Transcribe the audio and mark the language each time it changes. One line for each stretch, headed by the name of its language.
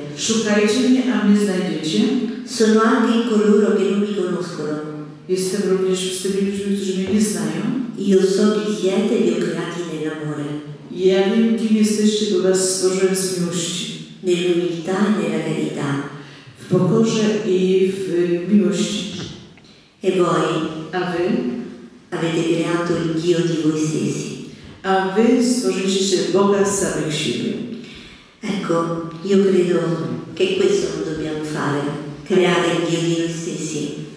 Polish: Szukajcie mnie, a mnie znajdziecie.
Italian: Sono anche in coloro che non mi conoscono.
Polish: Jestem również z tymi ludźmi, którzy mnie nie znają.
Italian: Io so chi siete e ho creati nell'amore.
Polish: Ja wiem, kim jesteście, bo was stworzyłem z miłości.
Italian: Nell'umiltà e nella verità.
Polish: W pokorze i w miłości.
Italian: E voi?
Polish: A wy?
Italian: Avete creato il Dio di voi stessi.
Polish: A wy stworzyliście Boga z samych siebie.
Italian: Ecco, io credo che questo lo dobbiamo fare. Creare il Dio di noi stessi.